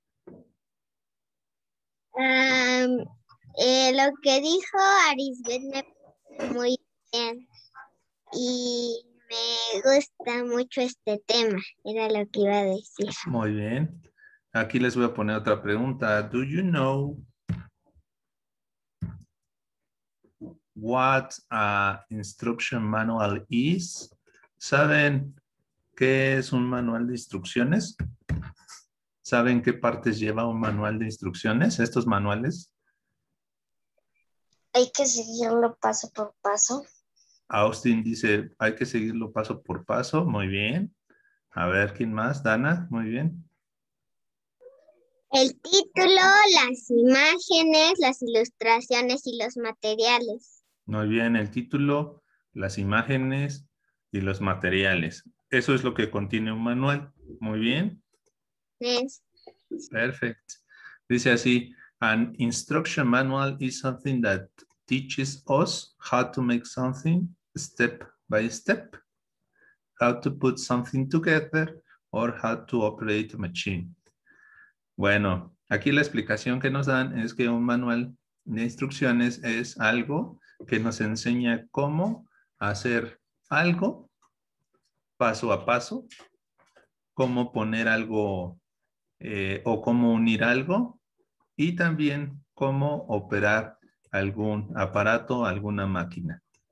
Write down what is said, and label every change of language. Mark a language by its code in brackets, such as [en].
[es] Lo que dijo Arisbet me muy bien y me gusta mucho este tema, era lo que iba a decir. Muy bien, aquí les voy a poner otra pregunta. [en] Do you know what a instruction manual is? [es] ¿Saben qué es un manual de instrucciones? ¿Saben qué partes lleva un manual de instrucciones, estos manuales? Hay que seguirlo paso por paso. Austin dice, hay que seguirlo paso por paso. Muy bien. A ver, ¿quién más? Dana, muy bien. El título, las imágenes, las ilustraciones y los materiales. Muy bien, el título, las imágenes y los materiales. Eso es lo que contiene un manual. Muy bien. [en] Perfect. [es] Dice así, [en] an instruction manual is something that teaches us how to make something step by step, how to put something together, or how to operate a machine. [es] Bueno, aquí la explicación que nos dan es que un manual de instrucciones es algo que nos enseña cómo hacer algo paso a paso, cómo poner algo o cómo unir algo y también cómo operar algún aparato, alguna máquina.